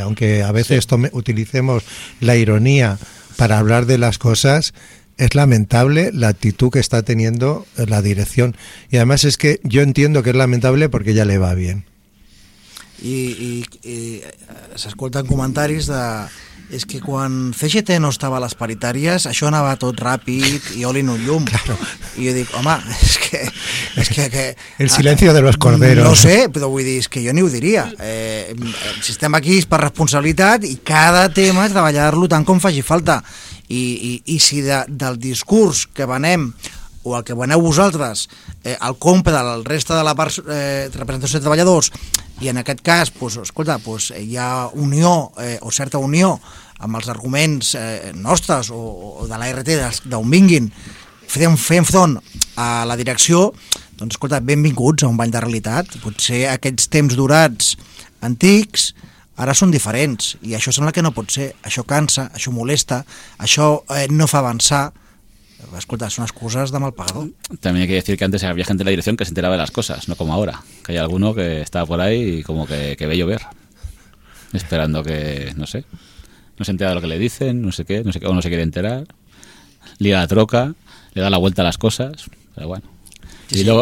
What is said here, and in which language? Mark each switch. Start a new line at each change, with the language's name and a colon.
Spanish: Aunque a veces utilicemos la ironía para hablar de las cosas, es lamentable la actitud que está teniendo la dirección. Y además es que yo entiendo que es lamentable porque ya le va bien. Y se escuchan comentarios de...
Catalan: És que quan CGT no estava a les paritàries, això anava tot ràpid i oli en un llum.
Spanish: Claro.
Catalan: I jo dic, home, és que
Spanish: el silencio de los corderos.
Catalan: No sé, però vull dir, és que jo ni ho diria. Si estem aquí és per responsabilitat i cada tema és treballar-lo tant com faci falta. I si del discurs que venem o el que veneu vosaltres, el compra de la resta de la part de representació de treballadors, i en aquest cas, pues, escolta, pues, hi ha unió o certa unió amb els arguments nostres o de l'ART, d'on vinguin, fent front a la direcció, Doncs escolta, benvinguts a un bany de realitat. Potser aquests temps durats antics ara són diferents, i això sembla que no pot ser. Això cansa, això molesta, això no fa avançar. Escolta, són excuses de mal pagador.
Spanish: També hay que decir que antes había gente en la dirección que se enteraba de las cosas, no como ahora, que hay alguno que estaba por ahí y como que ve llover, esperando que, no sé, no se entera de lo que le dicen, no sé qué, o no se quiere enterar, liga la troca, le da la vuelta a las cosas, pero bueno. Sí, sí.